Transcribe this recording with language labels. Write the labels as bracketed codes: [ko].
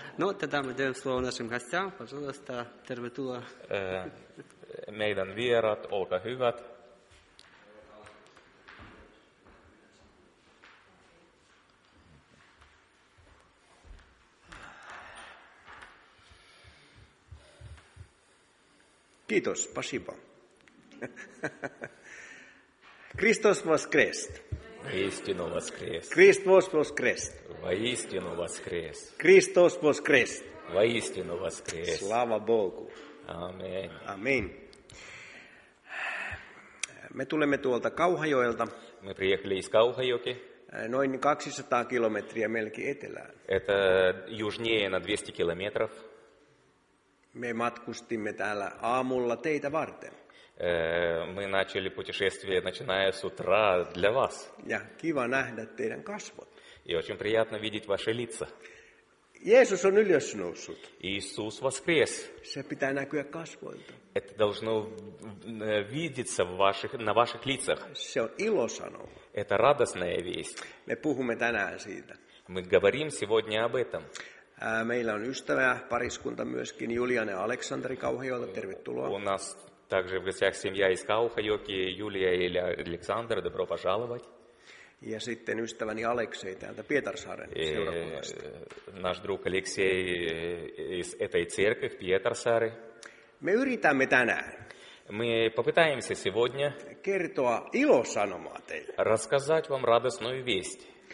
[ru] Ну, тогда мы даем слово нашим гостям. Пожалуйста, [fi] tervetuloa. Meidän vierat, olkaa hyvät. Kiitos, [ru] спасибо. Христос воскрес. Воистину воскрес. Христос воскрес. Воистину воскрес. Христос воскрес. Воистину воскрес. Слава Богу. Аминь. Аминь. [fi] Me tulemme tuolta Kauhajoelta. Me [ru] приехали из Kauhajoki. [fi] Noin 200 kilometriä melkein etelään. [ru] Это южнее на 200 километров. [fi] Me matkustimme täällä aamulla teitä varten. [ru] Мы начали путешествие, начиная с утра, для вас. [fi] Ja kiva nähdä teidän kasvot. [ru] И очень приятно видеть ваши лица. [fi] Jeesus on ylösnoussut. [ru] Иисус воскрес. [fi] Se pitää näkyä kasvoilta. [ru] Это должно видеться в ваших, на ваших лицах. [fi] Se on ilosanoma. [ru] Это радостная весть. [fi] Me puhumme tänään siitä. [ru] Мы говорим сегодня об этом. [fi] Meillä on ystävä pariskunta myöskin Julian ja Aleksanteri Kauhajoelta. Tervetuloa. [ru] У нас также в гостях семья из Kauhajoki, Julia ja Aleksander. Добро пожаловать. [fi] Ja sitten ystäväni Aleksei täältä Pietarsaaren seurakunnasta. [ru] Наш друг Алексей из этой церкви в Pietarsaari. [fi] Me yritämme tänään. [ru] Мы попытаемся сегодня [fi] kertoa ilosanomaa teille. [ru] Рассказать вам радостную весть.